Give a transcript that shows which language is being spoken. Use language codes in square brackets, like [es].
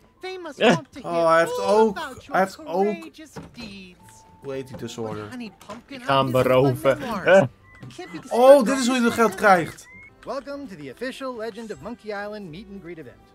[en] They must want to hear all about your courageous deeds. Weighty disorder. Honey, pumpkin, [nl] gaan beroven. Oh, dit is hoe je de geld krijgt. [en] Welcome to the official Legend of Monkey Island meet and greet event.